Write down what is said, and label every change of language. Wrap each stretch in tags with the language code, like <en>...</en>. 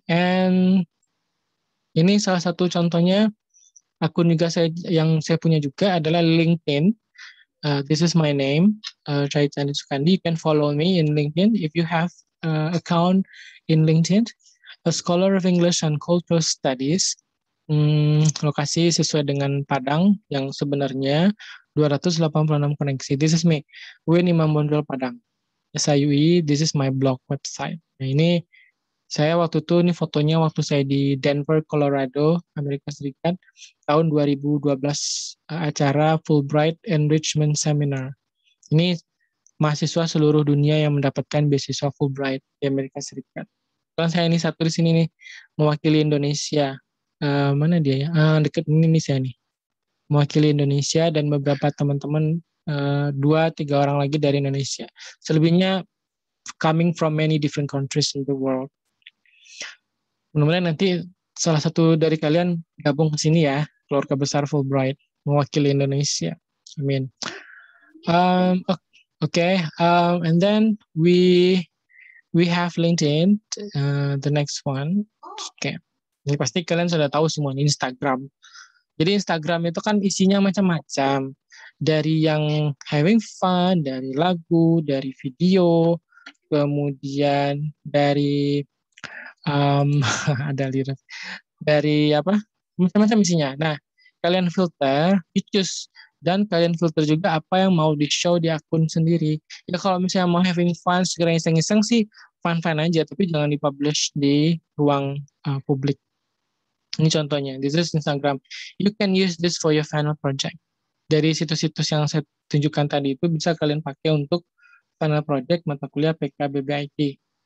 <id>And ini salah satu contohnya. Akun juga saya punya juga adalah LinkedIn.</id> <en>This is my name, Chaitanya Sukandi. You can follow me in LinkedIn if you have account in LinkedIn. A scholar of English and cultural studies.</en> <id>Lokasi sesuai dengan Padang yang sebenarnya 286 koneksi.</id> <en>This is me, Win Imam Bondol Padang. SIUI, this is my blog website.</en> <id>Nah, ini saya waktu itu, ini fotonya waktu saya di Denver, Colorado, Amerika Serikat, tahun 2012, acara Fulbright Enrichment Seminar. Ini mahasiswa seluruh dunia yang mendapatkan beasiswa Fulbright di Amerika Serikat. Kalau saya ini satu di sini nih, mewakili Indonesia. Mana dia ya? Dekat ini saya nih. Mewakili Indonesia dan beberapa teman-teman, 2-3 orang lagi dari Indonesia.</id> <en>Selebihnya coming from many different countries in the world.</en> <id>Mudah-mudahan nanti salah satu dari kalian gabung ke sini ya, keluarga besar Fulbright, mewakili Indonesia. Amin.</id> <en>And then we have LinkedIn, the next one. Okay.</en> <id>Ini pasti kalian sudah tahu semua, Instagram. Jadi Instagram itu kan isinya macam-macam. Dari yang having fun, dari lagu, dari video, kemudian dari ada lirik dari apa macam-macam isinya. Nah, kalian filter,</id> <en>you choose,</en> <id>dan kalian filter juga apa yang mau di show di akun sendiri. Ya kalau misalnya mau having fun, segera iseng-iseng sih fun-fun aja, tapi jangan dipublish di ruang publik. Ini contohnya,</id> <en>this is Instagram. You can use this for your final project.</en> <id>Dari situs-situs yang saya tunjukkan tadi itu bisa kalian pakai untuk final project mata kuliah PKBBIT.</id>